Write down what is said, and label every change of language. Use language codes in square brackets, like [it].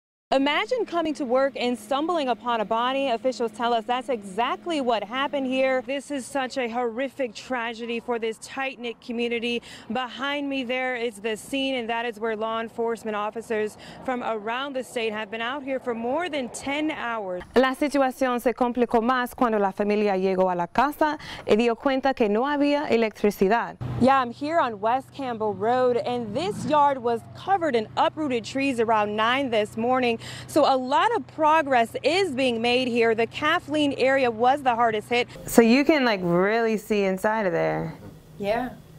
[en] Imagine coming to work and stumbling upon a body. Officials tell us that's exactly what happened here. This is such a horrific tragedy for this tight-knit community. Behind me there is the scene, and that is where law enforcement officers from around the state have been out here for more than 10 hours. [es] La situación se complicó más cuando la familia llegó a la casa y dio cuenta que no había electricidad. [en] Yeah, I'm here on West Campbell Road, and this yard was covered in uprooted trees around 9 this morning. So a lot of progress is being made here. The Kathleen area was the hardest hit. So you can like really see inside of there. Yeah.